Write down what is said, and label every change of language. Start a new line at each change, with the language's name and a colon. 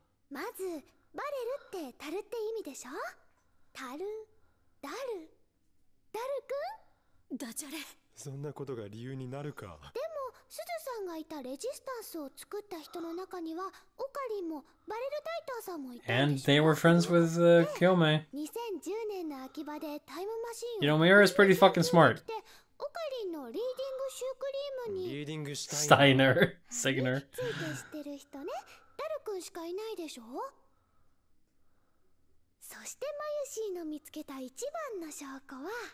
Japanese: まず、バレルってタルって意味でしょ。タル、ダル、ダルくん。ダジャレ。そんなことが理由になるか。でも、スズさんがいたレジスタンスを作った人の中には、オカリンもバレルタイターさんもいた。
English: And they were friends with Kyome.
Japanese: 2010年の秋葉でタイムマシンを。
English: You know, Mira is pretty fucking smart.
Japanese: オカリンのリーディングシュークリームに。リーディングスタイナー。シグナー。ついて知ってる人ね。ダル君しかいないでしょ？そしてマユシーの見つけた一番の証拠は。